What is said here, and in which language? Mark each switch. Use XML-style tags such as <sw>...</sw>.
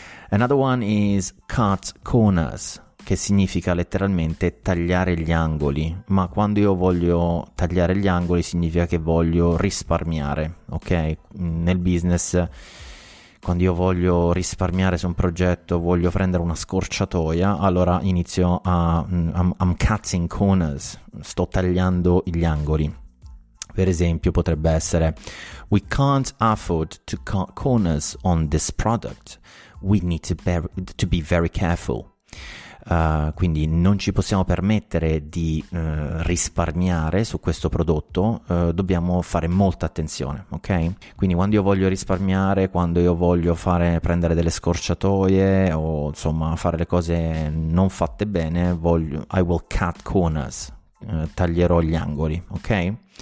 <en>Another one is cut corners,</en> <it>che significa letteralmente tagliare gli angoli, ma quando io voglio tagliare gli angoli significa che voglio risparmiare, ok? Nel business, quando io voglio risparmiare su un progetto, voglio prendere una scorciatoia, allora inizio a</it> <en>I'm cutting corners,</en> <it>sto tagliando gli angoli. Per esempio potrebbe essere:</it> <en>we can't afford to cut corners on this product, we need to be very careful.</en> <it>Quindi non ci possiamo permettere di risparmiare su questo prodotto, dobbiamo fare molta attenzione, ok? Quindi quando io voglio risparmiare, quando io voglio prendere delle scorciatoie o insomma fare le cose non fatte bene,</it> <en>I will cut corners,</en> <it>taglierò gli angoli, ok?</it>